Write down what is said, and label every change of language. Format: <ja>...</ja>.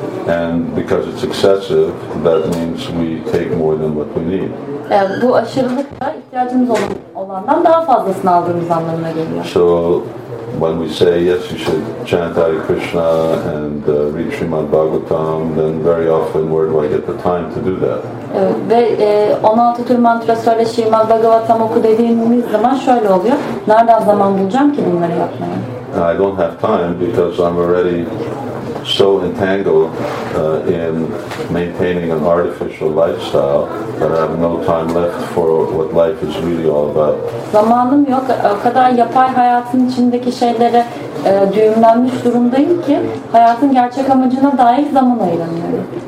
<en>And because it's excessive, that means we take more than what we need.</en> <tr>Bu aşırılık da ihtiyacımız olandan daha fazlasını aldığımız anlamına geliyor.</tr> <en>So when we say yes, you should chant Hare Krishna and read Srimad Bhagavatam, then very often where do I get the time to do that?</en> <tr>Ve 16 tür mantra söyle, Srimad Bhagavatam oku dediğimiz zaman şöyle oluyor. Nereden zaman bulacağım ki bunları yapmaya?</tr> <en>I don't have time because I'm already so entangled in maintaining an artificial lifestyle that I have no time left for what life is really all about.</en> <tr>Zamanım yok. O kadar yapay hayatın içindeki şeylere düğümlenmiş durumdayım ki hayatın gerçek amacına dair zaman ayıramıyorum.</tr>